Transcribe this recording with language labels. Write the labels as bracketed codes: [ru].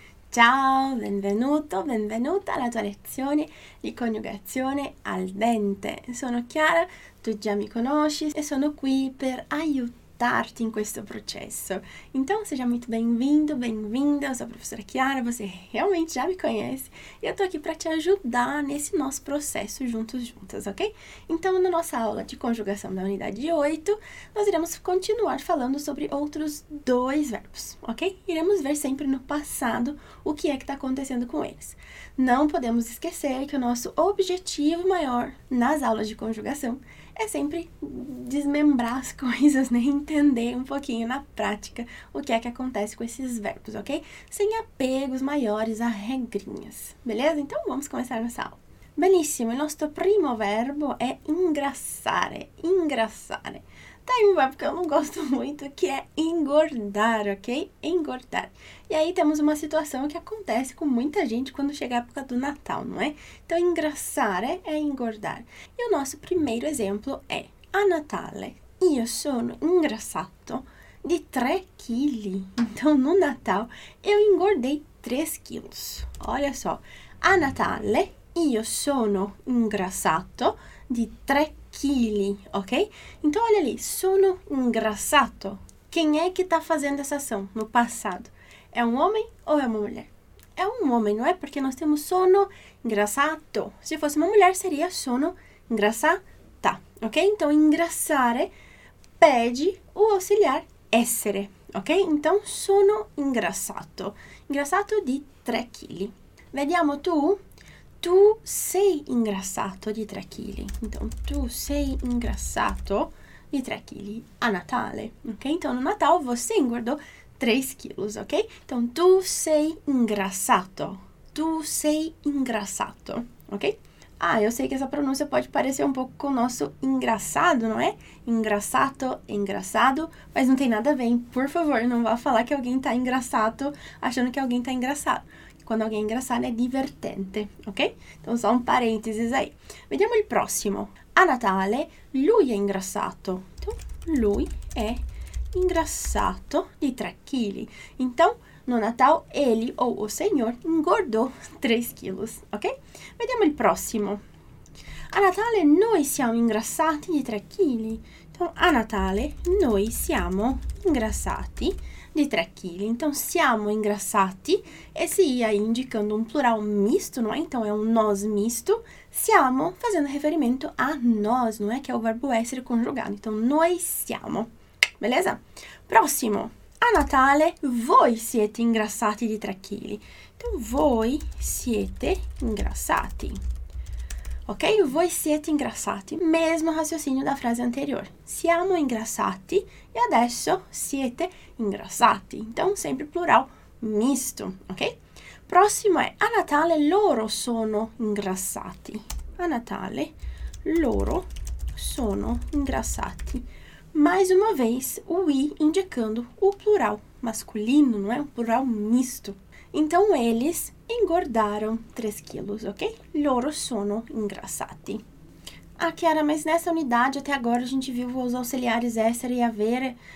[it] Ciao, benvenuto, benvenuta alla tua lezione di coniugazione al dente. Sono Chiara, tu già mi conosci e sono qui per aiutarti in questo processo. [pt] Então, seja muito bem-vindo, bem-vinda, sou a professora Chiara, você realmente já me conhece e eu estou aqui para te ajudar nesse nosso processo juntos, juntas, ok? Então, na nossa aula de conjugação da unidade 8, nós iremos continuar falando sobre outros dois verbos, ok? Iremos ver sempre no passado o que é que está acontecendo com eles. Não podemos esquecer que o nosso objetivo maior nas aulas de conjugação é sempre desmembrar as coisas, né? Entender um pouquinho na prática o que é que acontece com esses verbos, ok? Sem apegos maiores a regrinhas, beleza? Então vamos começar nossa aula. [it] Benissimo, il nostro primo verbo è ingrassare, ingrassare. [pt] Tem um verbo que eu não gosto muito, que é engordar, ok? Engordar. E aí temos uma situação que acontece com muita gente quando chega a época do Natal, não é? Então, ingrassare é engordar. E o nosso primeiro exemplo é: [it] a Natale io sono ingrassato di 3 quili. [pt] Então, no Natal, eu engordei 3 quilos. Olha só. [it] A Natale io sono ingrassato di 3 quili. [pt] Quili, ok? Então olha ali, [it] sono ingrassato. [pt] Quem é que está fazendo essa ação no passado? É um homem ou é uma mulher? É um homem, não é? Porque nós temos [it] sono ingrassato. [pt] Se fosse uma mulher, seria [it] sono ingrassata, [pt] ok? Então ingrassare pede o auxiliar essere, ok? [it] Então sono ingrassato. Ingrassato di 3 kg. Vediamo tu. Tu sei ingrassato di 3 kg. Então, tu sei ingrassato di 3 kg a Natale, ok? [pt] Então, no Natal você engordou 3 kg, ok? [it] Então, tu sei ingrassato. Tu sei ingrassato, ok? [pt] Ah, eu sei que essa pronúncia pode parecer um pouco com o nosso engraçado, não é? Engraçado, engraçado, mas não tem nada a ver, hein? Por favor, não vá falar que alguém tá engraçado achando que alguém tá engraçado. Quando alguém é engraçado, é divertente, ok? Então, só um parênteses aí. [it] Vediamo il prossimo. A Natale, lui è ingrassato. Então, lui è ingrassato di 3 kg. [pt] Então, no Natal, ele ou o senhor engordou 3 quilos, ok? [it] Vediamo il prossimo. A Natale, noi siamo ingrassati di 3 kg. Então, a Natale, noi siamo ingrassati di 3 kg. [pt] Então, [it] siamo ingrassati, [pt] esse i aí indicando um plural misto, não é? Então, é um nós misto. Siamo fazendo referimento a nós, não é? Que é o verbo essere conjugado. Então, [it] noi siamo, [pt] beleza? Próximo. [it] A Natale, voi siete ingrassati di 3 kg. Então, voi siete ingrassati. Ok? Voi siete ingrassati. [pt] Mesmo raciocínio da frase anterior. [it] Siamo ingrassati e adesso siete ingrassati. [pt] Então, sempre plural misto, ok? [it] Prossimo è: a Natale loro sono ingrassati. A Natale loro sono ingrassati. [pt] Mais uma vez, o i indicando o plural masculino, não é? O plural misto. Então, eles engordaram 3 quilos, ok? [it] Loro sono ingrassati. [pt] Ah, Chiara, mas nessa unidade até agora a gente viu os auxiliares essere e avere.